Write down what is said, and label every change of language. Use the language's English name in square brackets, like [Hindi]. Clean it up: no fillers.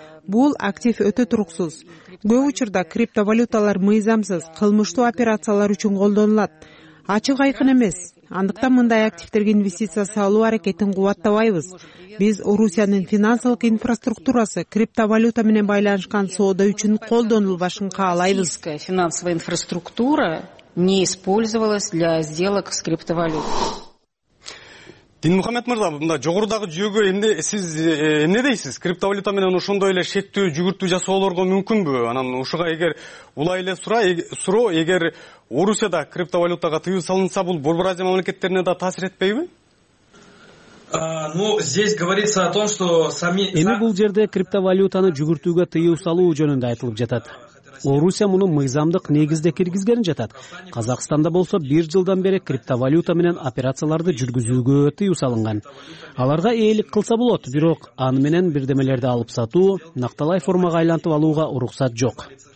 [Kyrgyz] Бул актив өтө туруксуз. Көп учурда криптовалюталар мыйзамсыз, кылмыштуу операциялар үчүн колдонулат. Ачык айкын эмес. Андыктан мындай активдерге инвестиция салуу аракетин кубаттабайбыз. Биз Орусиянын финансылык инфраструктурасы криптовалюта менен байланышкан соода үчүн колдонулбашын каалайбыз. [Russian] Финансовая инфраструктура не использовалась для сделок с криптовалютой. [Kyrgyz] Динмухаммед мырза, мында жогорудагы жүйөгө эмне сиз эмне дейсиз? Криптовалюта менен ошондой эле шектүү жүгүртүү жасоолорго мүмкүнбү? Анан ушуга эгер улай эле суроо, эгер Орусияда криптовалютага тыюу салынса, бул Борбор Азия мамлекеттерине да таасир этпейби? [Russian] Ну, здесь говорится о том, что сами [Kyrgyz] эми бул жерде криптовалютаны жүгүртүүгө тыюу салуу жөнүндө айтылып жатат. Орусия муну мыйзамдык негизде киргизген жатат. Казакстанда болсо бир жылдан бери криптовалюта менен операцияларды жүргүзүүгө тыюу салынган. Аларга ээлик кылса болот, бирок аны менен бирдемелерди алып сатуу, накталай формага айлантып алууга уруксат жок.